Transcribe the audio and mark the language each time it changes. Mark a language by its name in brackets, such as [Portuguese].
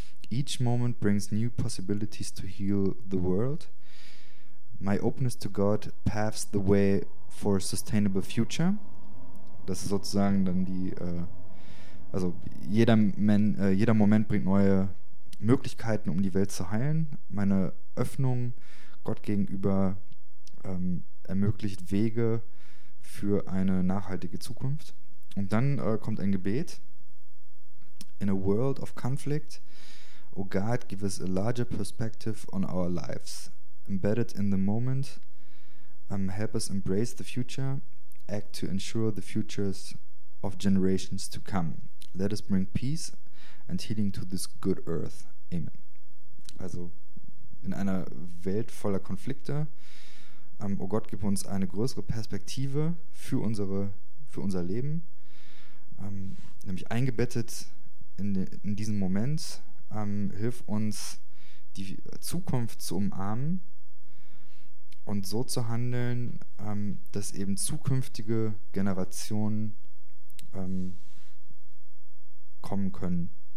[English] Each moment brings new possibilities to heal the world. My openness to God paves the way for a sustainable future. [German] Das ist sozusagen dann die, jeder Moment bringt neue Möglichkeiten, um die Welt zu heilen. Meine Öffnung Gott gegenüber ermöglicht Wege für eine nachhaltige Zukunft. Und dann kommt ein Gebet. [English] In a world of conflict, O God, give us a larger perspective on our lives. Embedded in the moment, Help us embrace the future. Act to ensure the futures of generations to come. Let us bring peace and healing to this good earth. Amen. [German] Also, in einer Welt voller Konflikte, oh Gott, gib uns eine größere Perspektive für unser Leben. Nämlich eingebettet in diesen Moment, hilf uns, die Zukunft zu umarmen und so zu handeln, dass eben zukünftige Generationen kommen können.